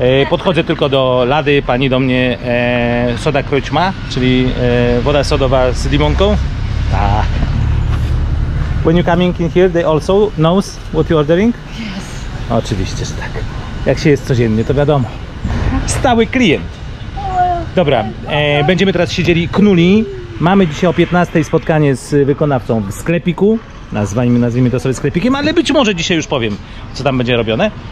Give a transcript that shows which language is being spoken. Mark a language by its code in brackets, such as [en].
[pl] Podchodzę tylko do lady, pani do mnie soda kroćma, czyli woda sodowa z limonką. Tak. [en] When you coming in here, they also knows what you ordering? Yes. [pl] Oczywiście, że tak. Jak się jest codziennie, to wiadomo. Stały klient. Dobra, będziemy teraz siedzieli knuli. Mamy dzisiaj o 15 spotkanie z wykonawcą w sklepiku. Nazwijmy to sobie sklepikiem, ale być może dzisiaj już powiem, co tam będzie robione.